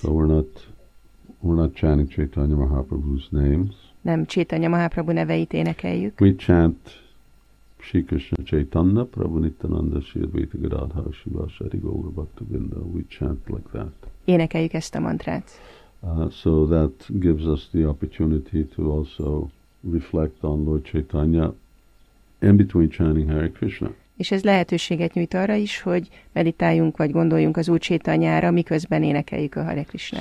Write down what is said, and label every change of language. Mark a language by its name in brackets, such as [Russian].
[English] So we're not chanting Chaitanya Mahaprabhu's names. [Hungarian] Nem Chaitanya Mahaprabhu neveit énekeljük. [English] We chant Shri Krishna Chaitanya Prabhu Nityananda Shri Advaita Gadadhara Shiva Shri Gaura Bhaktivinoda. We chant like that. [Hungarian] Énekeljük ezt a mantrát. [English] So that gives us the opportunity to also reflect on Lord Chaitanya in between chanting Hare Krishna. [Hungarian] És ez lehetőséget nyújt arra is, hogy meditáljunk vagy gondoljunk az Úr Chaitanyára, miközben énekeljük a Hare Krishnát.